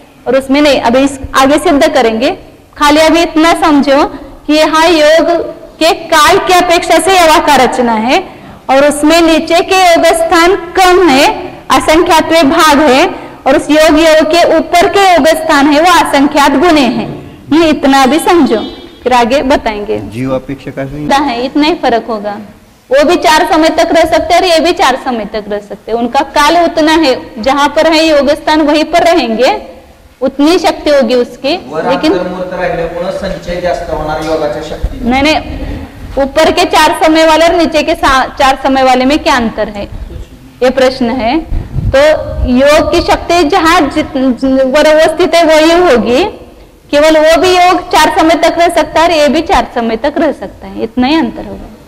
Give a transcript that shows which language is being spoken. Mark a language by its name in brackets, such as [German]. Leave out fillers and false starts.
[Hindi] और उसमें नहीं अभी इस आगे सिद्ध करेंगे, खाली अभी इतना समझो कि यहाँ योग के काल की अपेक्षा से यवा का रचना है, और उसमें नीचे के योग स्थान कम है असंख्यात भाग है, और उस योग योग के ऊपर के योग स्थान है वो असंख्यात गुने हैं, ये इतना भी समझो, फिर आगे बताएंगे। जीव अपेक्षा का ज्यादा है इतना ही फर्क होगा, वो भी 4 समय तक रह सकते हैं और ये भी 4 समय तक रह सकते हैं, उनका काल उतना है, जहां पर है योग स्थान वहीं पर रहेंगे, उतनी शक्ति होगी उसकी, [Marathi] लेकिन संचय जास्त होणार योगाची शक्ती। [Hindi] नहीं नहीं, ऊपर के 4 समय वाले और नीचे के 4 समय वाले में क्या अंतर है ये प्रश्न है। तो योग की शक्ति जहां जित वो स्थित है वही होगी, केवल वो भी योग चार समय तक रह सकता है, ये भी चार समय तक रह सकता है, इतना ही अंतर होगा।